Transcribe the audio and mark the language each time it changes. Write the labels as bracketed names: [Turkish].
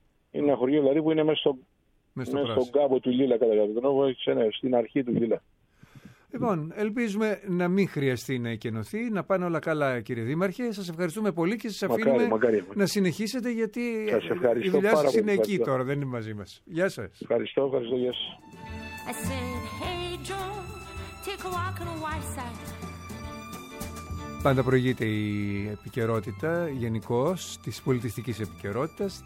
[Greek] Είναι ένα χωριό δηλαδή που είναι μέσα στον κάμπο του Λίλα, κατά τον τρόπο, στην αρχή του Λίλα. Λοιπόν, ελπίζουμε να μην χρειαστεί να εκενωθεί, να πάνε όλα καλά, κύριε Δήμαρχε. Σας ευχαριστούμε πολύ και σας αφήνουμε να συνεχίσετε, γιατί η δουλειά σας είναι εκεί τώρα, δεν είναι μαζί μας. Γεια σας. Ευχαριστώ, γεια σας. [English] I said, hey Joe, take a walk on the wife's side. [Greek] Πάντα προηγείται η επικαιρότητα γενικώς, της πολιτιστικής επικαιρότητας.